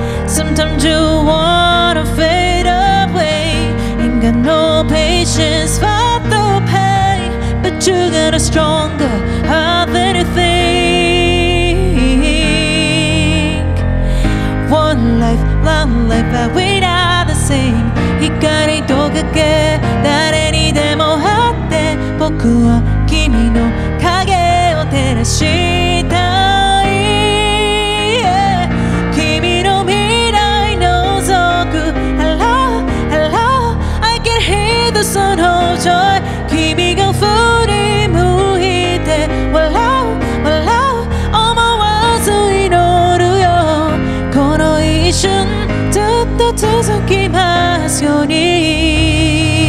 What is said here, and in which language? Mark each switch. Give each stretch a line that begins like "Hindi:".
English: Sometimes you wanna fade away. Ain't got no patience for the pain. But you got a stronger heart than you think. One life. Life, but we are the same。
Japanese: 光と影、誰にでもあって、僕は君の影を照らしたい、yeah。君の未来のぞく
English: Hello, hello, I can hear the sound of joy。
Japanese: 君が振り向いて笑う笑う、思わず祈るよ、この一瞬続きますように。